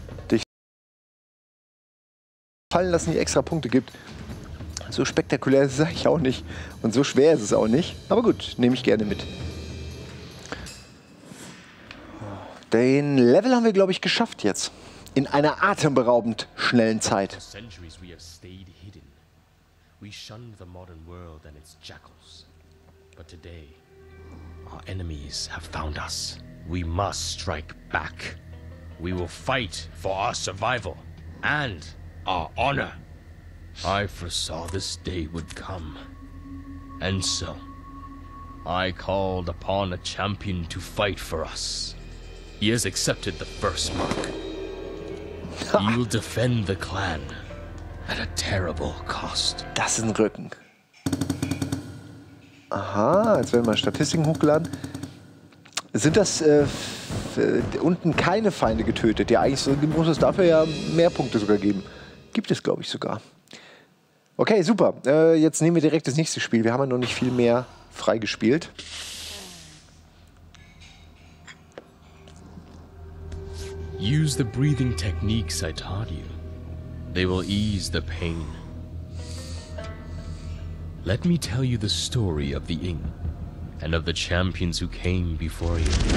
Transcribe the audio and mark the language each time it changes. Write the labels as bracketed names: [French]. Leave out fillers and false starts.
[German] Dich fallen lassen, die extra Punkte gibt. So spektakulär ist es eigentlich auch nicht. Und so schwer ist es auch nicht. Aber gut, nehme ich gerne mit. Den Level haben wir, glaube ich, geschafft jetzt. In einer atemberaubend schnellen Zeit. [English] For centuries we have stayed hidden. We shunned the modern world and its jackals. But today, our enemies have found us. We must strike back. We will fight for our survival and our honor. I foresaw this day would come. And so, I called upon a champion to fight for us. He has accepted the first mark. He will defend the clan at a terrible cost. [German] Das ist ein Rücken. Aha, jetzt werden mal Statistiken hochgeladen. Sind das unten keine Feinde getötet? Ja, eigentlich muss es dafür ja mehr Punkte sogar geben. Gibt es, glaube ich, sogar. Okay, super. Jetzt nehmen wir direkt das nächste Spiel. Wir haben ja noch nicht viel mehr freigespielt. [English] Use the breathing techniques I taught you. They will ease the pain. Let me tell you the story of the Ing and of the champions who came before you.